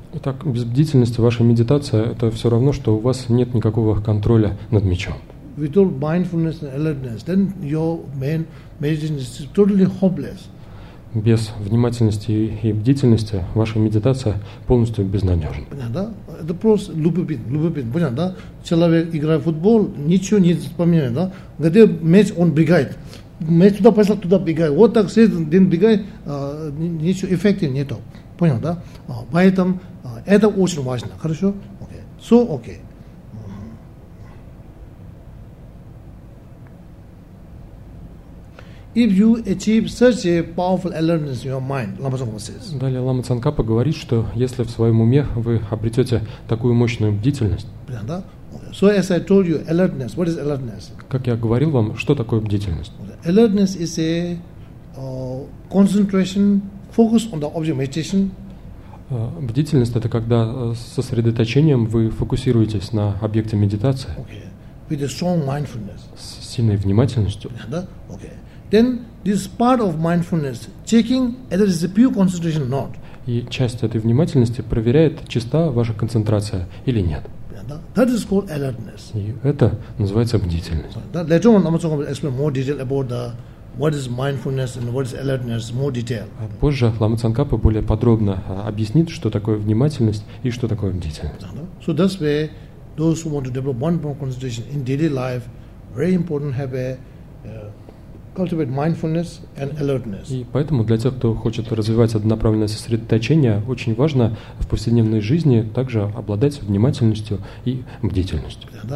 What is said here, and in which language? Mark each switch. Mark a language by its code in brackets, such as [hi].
[ru] Итак, без бдительности ваша медитация это все равно, что у вас нет никакого контроля над мячом. [en] Without mindfulness and alertness, then your main meditation is totally hopeless. [ru] Без внимательности и бдительности ваша медитация полностью безнадежна. Понятно, да? Это просто любопытно, понятно, да? Человек играет в футбол, ничего не вспоминает, да? Где мяч, он бегает. Мяч туда пошел, туда бегает. Вот так сидит, один бегает, ничего эффекта нету. Понятно, да? Поэтому это очень важно, хорошо? Окей. Все окей. [en] If you achieve such a powerful alertness in your mind, Lama Tsongkhapa says. [ru] Далее Лама Цанкапа говорит, что если в своем уме вы обретете такую мощную бдительность. [en] Да? So as I told you, alertness. What is alertness? [ru] Как я говорил вам, что такое бдительность? [en] Alertness is a concentration, focus on the object meditation. [ru] Бдительность это когда сосредоточением вы фокусируетесь на объекте медитации. [en] Okay. With a strong mindfulness. [ru] С сильной внимательностью. Да? Okay. [en] Then this part of mindfulness checking whether it's a pure concentration or not. [ru] И часть этой внимательности проверяет, чиста ваша концентрация или нет. [en] That is called alertness. [ru] И это называется бдительность. [en] Later on, I'm going to explain more detail about the what is mindfulness and what is alertness, more detail. [ru] Позже Лама Цанкапа более подробно объяснит, что такое внимательность и что такое бдительность. [en] So that's why those who want to develop one more concentration in daily life, very important have a cultivate mindfulness and alertness. [ru] И поэтому для тех, кто хочет развивать однонаправленное сосредоточение, очень важно в повседневной жизни также обладать внимательностью и бдительностью.